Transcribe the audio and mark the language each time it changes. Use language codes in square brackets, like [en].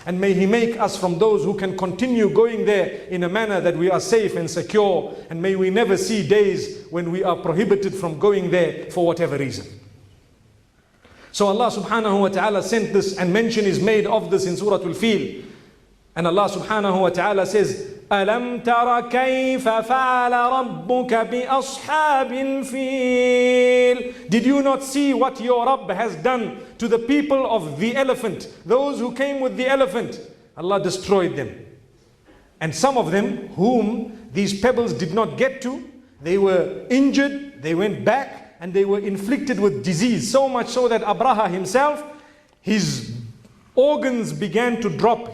[en] And may He make us from those who can continue going there in a manner that we are safe and secure. And may we never see days when we are prohibited from going there for whatever reason. So Allah subhanahu wa ta'ala sent this, and mention is made of this in Surah Al-Fil. And Allah subhanahu wa ta'ala says, [ar] أَلَمْ تَرَ كَيْفَ فَعَلَ رَبُّكَ بِأَصْحَابِ الْفِيلِ. [en] Did you not see what your Rabb has done to the people of the elephant? Those who came with the elephant, Allah destroyed them. And some of them, whom these pebbles did not get to, they were injured, they went back, and they were inflicted with disease, so much so that Abraha himself, his organs began to drop.